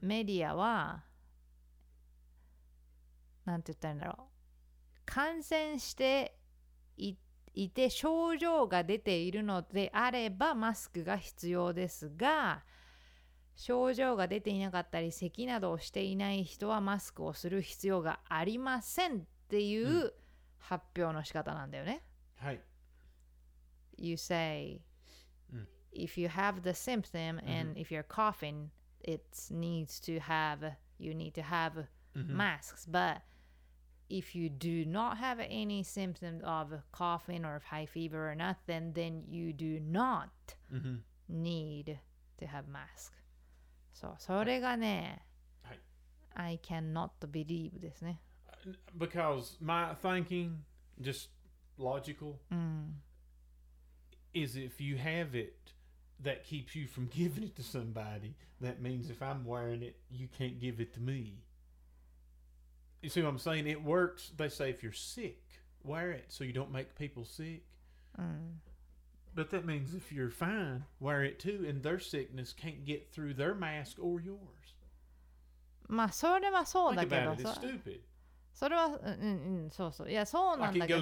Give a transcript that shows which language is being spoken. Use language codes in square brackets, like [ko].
[ja] メディアはなんて言ったらいいんだろう、感染して いて症状が出ているのであればマスクが必要ですが、症状が出ていなかったり咳などをしていない人はマスクをする必要がありませんっていう、うん、発表の仕方なんだよね。はい。 [en] You say、 [ja] うん、 [en] if you have the symptom and、うん、if you're coughing, it needs to have, you need to have masks.、うん、But if you do not have any symptoms of coughing or of high fever or nothing, then you do not need to have mask. [ja] そう、それがね、はい、 [en] I cannot believe [ja] ですね。 [en] Because my thinking, just logical, is if you have it that keeps you from giving it to somebody, that means if I'm wearing it, you can't give it to me. You see what I'm saying? It works. They say if you're sick, wear it so you don't make people sick. But that means if you're fine, wear it too, and their sickness can't get through their mask or yours. [ja] まあそれはそうだけど、 [en] think about it, it's stupid. [ja] それは、うんうん、そうそう、いやそうなんだけど、